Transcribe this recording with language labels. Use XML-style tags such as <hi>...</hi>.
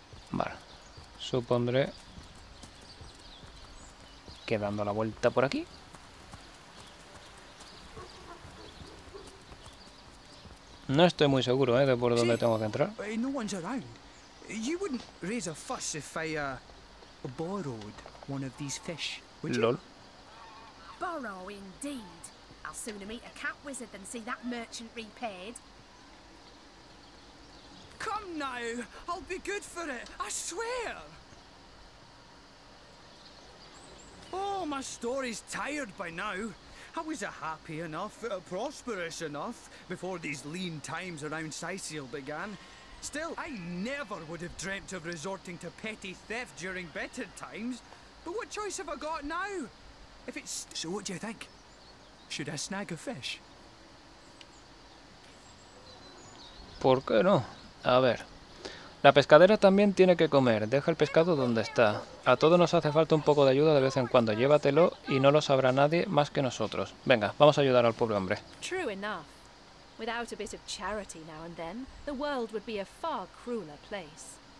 <es>Vale. Supondré que dando la vuelta por aquí. No estoy muy seguro, de por dónde tengo que entrar.</es> <en>No one's around. You wouldn't raise a fuss if I borrowed one of these fish, would you? Lol. Borrow indeed. I'll sooner meet a cat wizard than see that merchant repaid. Come now, I'll be good for it. I swear. Oh, my story's tired by now. I was a happy enough, a prosperous enough, before these lean times around Sicile began. Still, I never would have dreamt of resorting to petty theft during better times. But what choice have I got now? If it's... So what do you think? should I snag a fish?</en> <es>¿Por qué no? A ver. La pescadera también tiene que comer. Deja el pescado donde está. A todos nos hace falta un poco de ayuda de vez en cuando. Llévatelo y no lo sabrá nadie más que nosotros. Venga, vamos a ayudar al pobre hombre.</es> <en>True enough. Without a bit of charity now and then, the world would be a far crueler place.</en>